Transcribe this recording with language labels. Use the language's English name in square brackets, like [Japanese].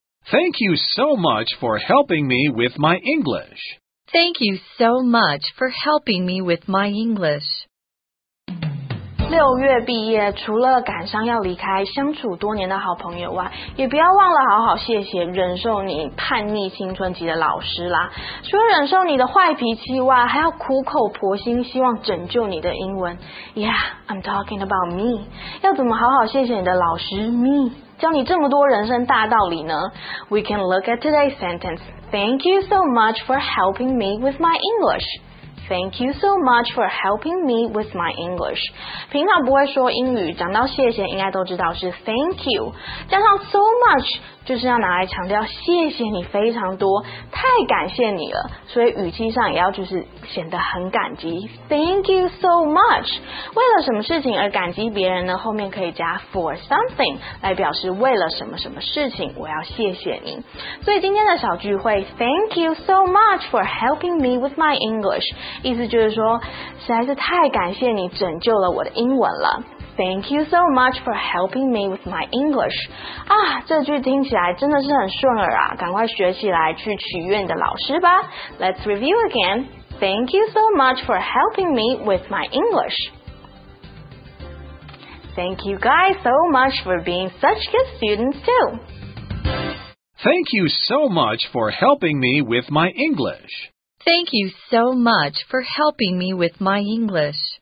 [English] Thank you so much for helping me with my English. Thank you so much for helping me with my English. [Chinese] 六月毕业，除了感伤要离开相处多年的好朋友外，也不要忘了好好谢谢忍受你叛逆青春期的老师啦。除了忍受你的坏脾气外，还要苦口婆心希望拯救你的英文。 [English] Yeah, I'm talking about me. [Chinese] 要怎么好好谢谢你的老师 me 教你这么多人生大道理呢？ [English] We can look at today's sentence. Thank you so much for helping me with my English. Thank you so much for helping me with my English. [Chinese] 平常不会说英语，讲到谢谢应该都知道是 thank you. 加上 so much 就是要拿来强调谢谢你非常多，太感谢你了，所以语气上也要就是显得很感激。 [English] Thank you so much. [Chinese] 为了什么事情而感激别人呢？后面可以加 [English] for something [Chinese] 来表示为了什么什么事情我要谢谢你。所以今天的小聚会 [English] ，Thank you so much for helping me with my English. [Chinese] 意思就是说，实在是太感谢你拯救了我的英文了。 [English] Thank you so much for helping me with my English. [Chinese] 啊，这句听起来真的是很顺耳啊，赶快学起来去取悦你的老师吧。 [English] Let's review again. Thank you so much for helping me with my English. Thank you guys so much for being such good students too. Thank you so much for helping me with my English. Thank you so much for helping me with my English.